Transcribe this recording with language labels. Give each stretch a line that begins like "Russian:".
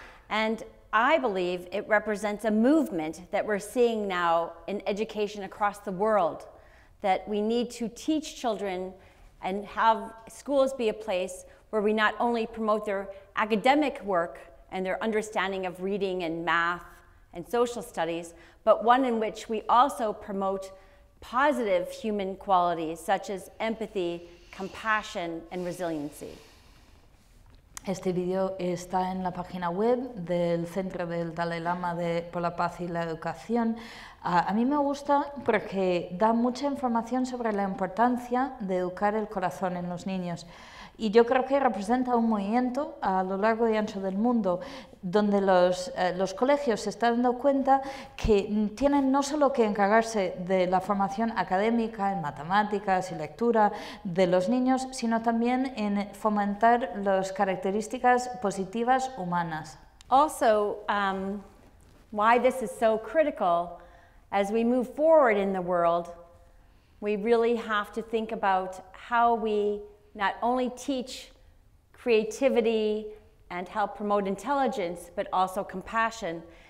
English: And I believe it represents a movement that we're seeing now in education across the world, that we need to teach children and have schools be a place where we not only promote their academic work and their understanding of reading and math and social studies, but one in which we also promote positive human qualities such as empathy, compassion, and resiliency.
Spanish: Este video está en la página web del Centro del Dalai Lama por la Paz y la Educación. A mí me gusta porque da mucha información sobre la importancia de educar el corazón en los niños. Y yo creo que representa un movimiento a lo largo y ancho del mundo donde los colegios se están dando cuenta que tienen no solo que encargarse de la formación académica en matemáticas y lectura de los niños, sino también en fomentar las características positivas humanas.
English: Also, why this is so critical, as we move forward in the world, we really have to think about how we not only teach creativity and help promote intelligence, but also compassion.